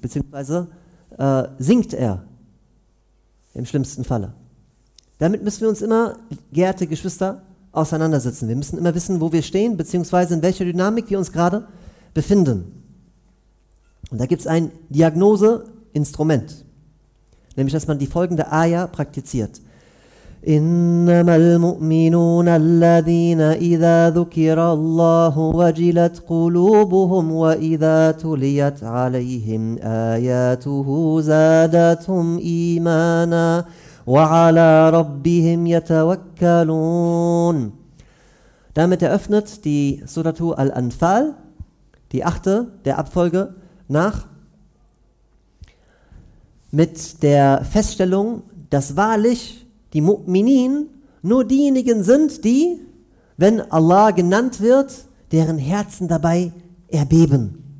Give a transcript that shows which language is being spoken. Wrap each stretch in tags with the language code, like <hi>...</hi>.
<de>Beziehungsweise sinkt er im schlimmsten Falle? Damit müssen wir uns immer, geehrte Geschwister, auseinandersetzen. Wir müssen immer wissen, wo wir stehen, beziehungsweise in welcher Dynamik wir uns gerade befinden. Und da gibt es ein Diagnoseinstrument, nämlich dass man die folgende Aya praktiziert.</de> <ar>إنما المؤمنون الذين إذا ذكر الله وجلت قلوبهم وإذا تليت عليهم آياته زادتهم إيمانا وعلى ربهم يتوكلون.</ar> <de>Damit eröffnet die Suratu Al-Anfal, die achte der Abfolge nach, mit der Feststellung, dass wahrlich die Mu'minin nur diejenigen sind, die, wenn Allah genannt wird, deren Herzen dabei erbeben.</de>